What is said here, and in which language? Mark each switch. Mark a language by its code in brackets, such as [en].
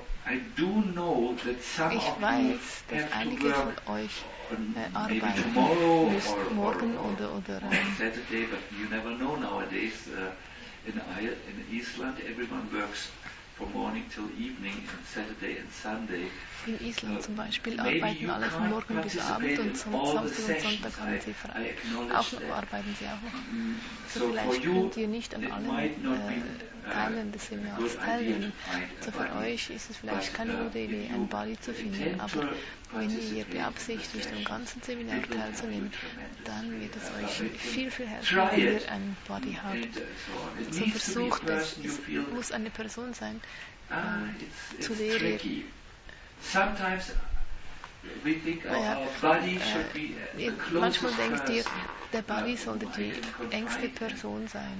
[de] Ich weiß, dass einige von euch arbeiten müsst, morgen oder [en] Saturday, but you never know nowadays. In Island, everyone works from morning till evening, and Saturday and Sunday. [de] In Island zum Beispiel arbeiten alle von morgen bis Abend und Samstag und Sonntag haben sie frei. Auch noch arbeiten sie auch. So vielleicht könnt ihr nicht an allen Teilen des Seminars teilnehmen. So für euch ist es vielleicht keine gute Idee, ein Body zu finden, aber wenn ihr beabsichtigt, am ganzen Seminar teilzunehmen, dann wird es euch viel, viel helfen, wenn ihr ein Body habt. So versucht es, es muss eine Person sein, zu der ihr. [en] Sometimes we think of our body should be the closest person. [de] Manchmal denkt ihr, der Body sollte die engste Person sein.